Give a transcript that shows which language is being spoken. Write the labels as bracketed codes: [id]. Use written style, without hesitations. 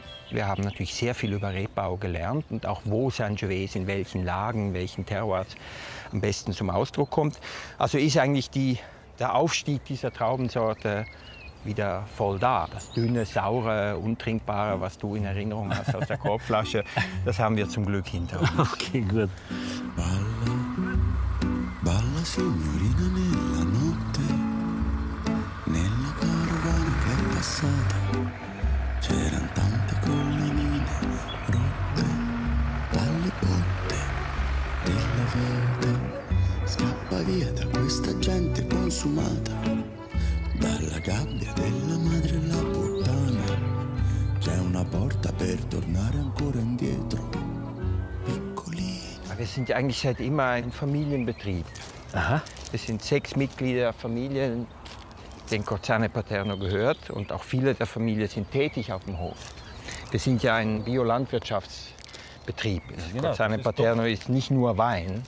[de] Wir haben natürlich sehr viel über Rebbau gelernt und auch wo Sangiovese, in welchen Lagen, in welchen Terroirs am besten zum Ausdruck kommt. Also ist eigentlich der Aufstieg dieser Traubensorte wieder voll da. Das dünne, saure, untrinkbare, was du in Erinnerung hast aus der Korbflasche, das haben wir zum Glück hinter uns. Okay, gut. [it] Balla, balla signorina nella notte, nella caravana che è passata. C'erano tante colline rotte dalle botte della vita. Scappa via da questa gente consumata, dalla gabbia della madre e la puttana. C'è una porta per tornare ancora indietro, piccolina. [de] Wir sind eigentlich seit immer ein Familienbetrieb. Aha. Wir sind 6 Mitglieder der Familie, den Corzane Paterno gehört, und auch viele der Familie sind tätig auf dem Hof. Wir sind ja ein Biolandwirtschaftsbetrieb. Genau, Corzane Paterno ist nicht nur Wein.